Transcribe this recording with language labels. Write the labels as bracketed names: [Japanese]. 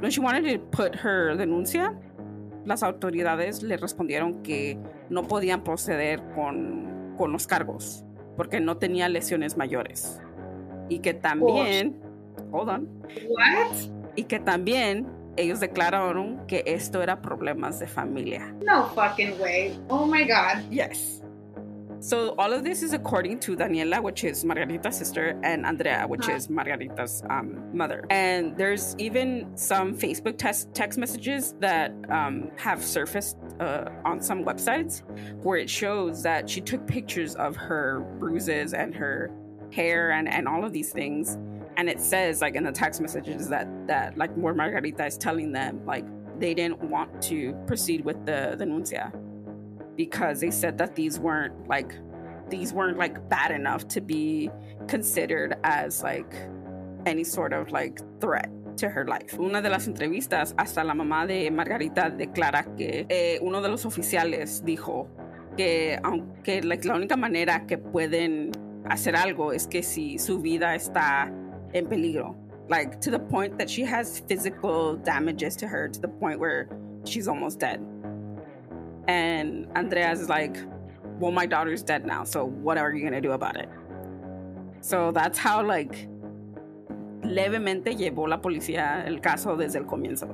[English] When she wanted to put her [Spanish] denuncia, las autoridades le respondieron que no podían proceder con los cargos porque no tenía lesiones mayores. Y que también... [English] Hold on. What? [Spanish] Y que también... Ellos declararon que esto era problemas de familia. [English] No fucking way. Oh my God. Yes. So all of this is according to Daniela, which is Margarita's sister, and Andrea, which is Margarita's mother. And there's even some Facebook text messages that have surfaced on some websites where it shows that she took pictures of her bruises and her hair and all of these things. And it says, like, in the text messages that like, more Margarita is telling them, like, they didn't want to proceed with the denuncia because they said that these weren't, like, bad enough to be considered as, like, any sort of, like, threat to her life. [Spanish] Una de las entrevistas, hasta la mamá de Margarita declara que uno de los oficiales dijo que, aunque, like, la única manera que pueden hacer algo es que si su vida está... [English] in peligro, like to the point that she has physical damages to her, to the point where she's almost dead. And Andrea's like, well, my daughter's dead now, so what are you gonna do about it? So that's how, like, [Spanish] levemente llevó la policía el caso desde el comienzo.